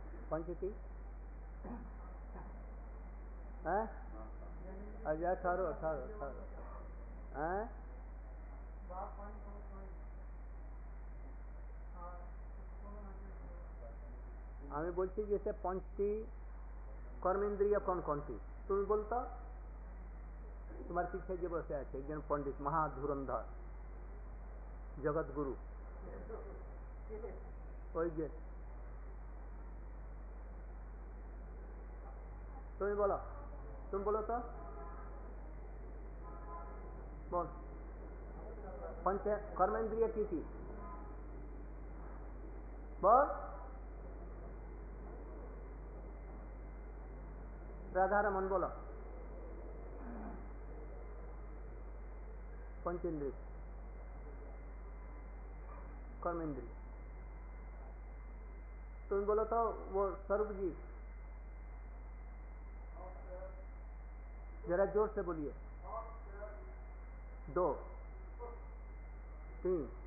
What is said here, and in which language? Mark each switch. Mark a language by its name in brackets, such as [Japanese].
[Hindi] पंच की [Bangla] আমি বলছি যে সে পঞ্চটি কর্মেন্দ্রিয় কোন কোনটি তুমি বলতো? তোমার পিছিয়ে যে বসে আছে একজন পণ্ডিত মহাধুরন্ধর জগৎগুরু, ওই যে তুমি বলো, তুমি বলো তো বল, পঞ্চ কর্মেন্দ্রিয় কি কি বল? রাধা রমন বলো, পঞ্চেন্দ্রিয় কর্মেন্দ্রিয়, তুমি বলো তো ও স্বরূপজি, [Hindi] जरा जोर से बोलिए, दो तीन